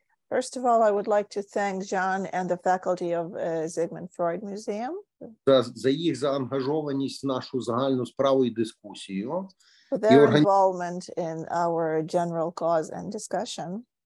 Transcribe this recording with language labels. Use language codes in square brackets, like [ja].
[en] First of all, I would like to thank Jeanne and the faculty of SigmundFreudMuseum. [uk] За їх заангажованість в нашу загальну справу і дискусію. [en] For their involvement in our general cause and discussion.